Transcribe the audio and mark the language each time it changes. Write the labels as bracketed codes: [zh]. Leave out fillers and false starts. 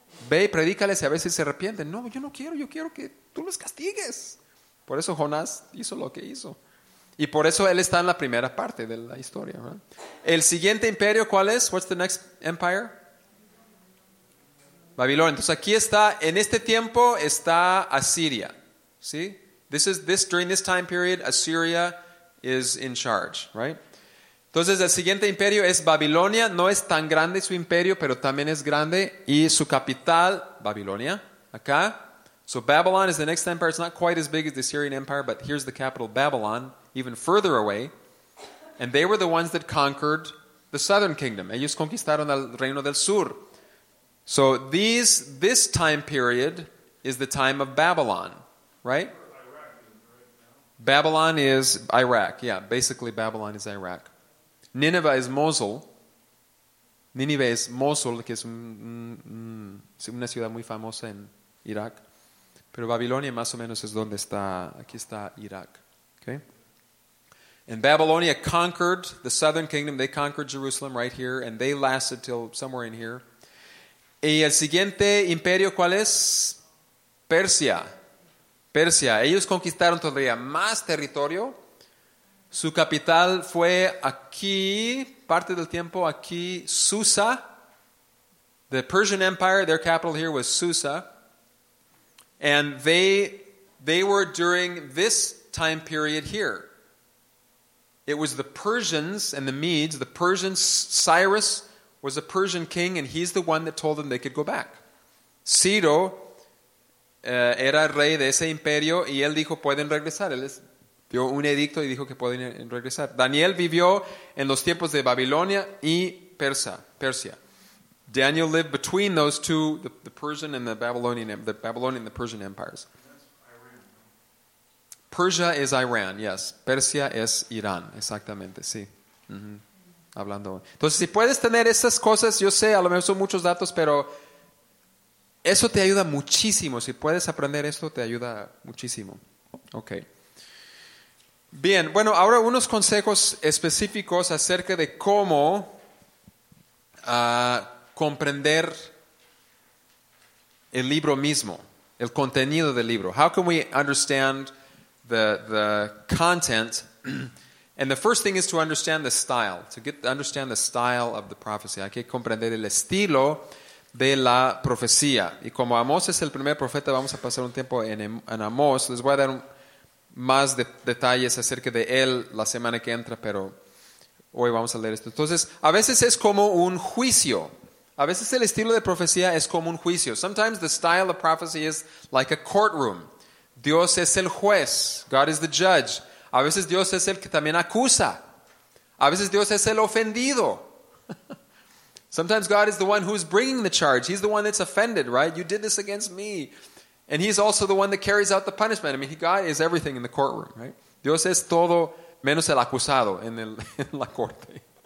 [es] Ve y predícales y a veces se arrepienten. No, yo no quiero, yo quiero que tú los castigues. Por eso Jonás hizo lo que hizo. Y por eso él está en la primera parte de la historia. ¿El siguiente imperio cuál es? [en] What's the next empire? [es] Babilonia. Entonces aquí está, en este tiempo está Asiria. ¿Sí? [en] During this time period, Assyria is in charge, right? [es] Entonces el siguiente imperio es Babilonia. No es tan grande su imperio, pero también es grande. Y su capital, Babilonia, acá. [en] So Babylon is the next empire. It's not quite as big as the Assyrian Empire, but here's the capital, Babylon, even further away. And they were the ones that conquered the southern kingdom. [es] Ellos conquistaron el reino del sur. [en] So this time period is the time of Babylon, right? Babylon is Iraq. Yeah, basically Babylon is Iraq. Nineveh is Mosul. Nineveh is Mosul, [es] que es una ciudad muy famosa en Irak. Pero Babilonia más o menos es donde está, aquí está Irak. [en] Okay? And Babylonia conquered the southern kingdom. They conquered Jerusalem right here, and they lasted till somewhere in here. [es] ¿Y el siguiente imperio cuál es? Persia. Persia. Ellos conquistaron todavía más territorio. Su capital fue aquí, parte del tiempo aquí, Susa. [en] The Persian Empire, their capital here was Susa. And they were during this time period here. It was the Persians and the Medes, the Persians, Cyrus was a Persian king, and he's the one that told them they could go back. [es] Ciro era rey de ese imperio, y él dijo, pueden regresar. Él dio un edicto y dijo que pueden regresar. Daniel vivió en los tiempos de Babilonia y Persia. [en] Daniel lived between those two, the Persian and the Persian empires. Persia is Iran, yes. [es] Persia es Irán, exactamente, sí. Mm-hmm. Hablando. Entonces, si puedes tener esas cosas, yo sé, a lo mejor son muchos datos, pero eso te ayuda muchísimo. Si puedes aprender esto, te ayuda muchísimo. Ok. Bien, bueno, ahora unos consejos específicos acerca de cómo comprender el libro mismo, el contenido del libro. [en] How can we understand the content? And the first thing is to understand the style, to understand the style of the prophecy. [es] Hay que comprender el estilo de la profecía. Y como Amós es el primer profeta, vamos a pasar un tiempo en Amós. Les voy a dar más detalles acerca de él la semana que entra, pero hoy vamos a leer esto. Entonces, a veces es como un juicio. A veces el estilo de profecía es como un juicio. [en] Sometimes the style of prophecy is like a courtroom. [es] Dios es el juez. [en] God is the judge. [es] A veces Dios es el que también acusa. A veces Dios es el ofendido. [en] Sometimes God is the one who's bringing the charge. He's the one that's offended, right? You did this against me. And he's also the one that carries out the punishment. I mean, God is everything in the courtroom, right? [es] Dios es todo menos el acusado en la corte.